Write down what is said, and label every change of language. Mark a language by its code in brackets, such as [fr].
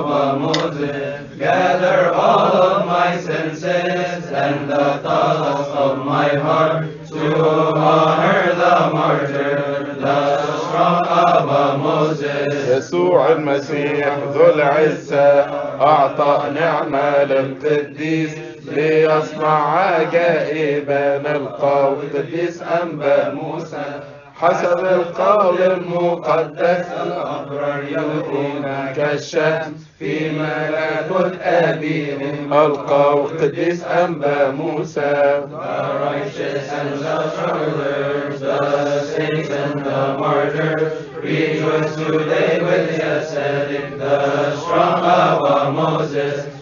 [en] Gather all of my senses and the thoughts of my heart to honor the martyr, the strong Abba Moses. [ar] يسوع المسيح ذو العزة أعطى نعمة للقديس ليصنع عجائبنا القوي القديس أنبا موسى. حسب القول المقدس الأبرار يلقون كالشمس في ملكوت أبي القوي القديس أنبا موسى. [en] The righteous and the travelers, the saints and the martyrs rejoice today with the ascetic, the strong Abba Moses.